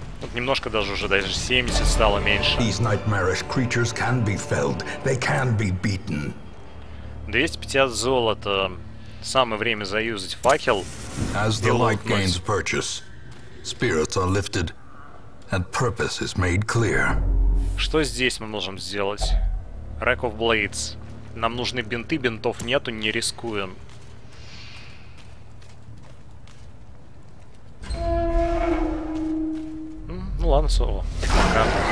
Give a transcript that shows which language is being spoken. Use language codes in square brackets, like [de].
[ru] Вот немножко даже уже, даже 70 стало меньше. [en] These nightmarish creatures can be felled. They can be beaten. [ru] 250 золота. Самое время заюзать факел. [en] As the light gains purchase, spirits are lifted, and purpose is made clear. [ru] Что здесь мы можем сделать? [en] Rack of Blades. [ru] Нам нужны бинты, бинтов нету, не рискуем. Ну ладно, соло. Пока.